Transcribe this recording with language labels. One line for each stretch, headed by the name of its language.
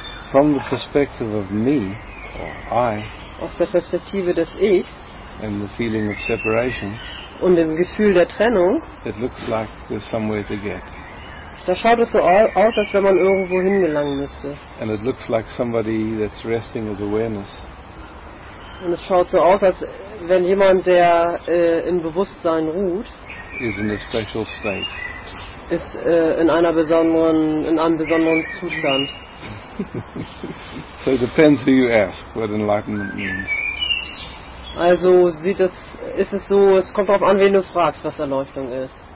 English: From the perspective of me, or I,
German: aus der Perspektive des Ichs,
English: and the feeling of separation,
German: und dem Gefühl der Trennung,
English: it looks like there's somewhere to get.
German: Da schaut es so aus, als wenn man irgendwo hingelangen müsste.
English: And it looks like somebody that's resting as awareness.
German: Und es schaut so aus, als wenn jemand, der in Bewusstsein ruht,
English: is in a special state.
German: Ist in einem besonderen Zustand.
English: So it depends who you ask, what enlightenment means.
German: Also ist es so, es kommt darauf an, wen du fragst, was Erleuchtung ist.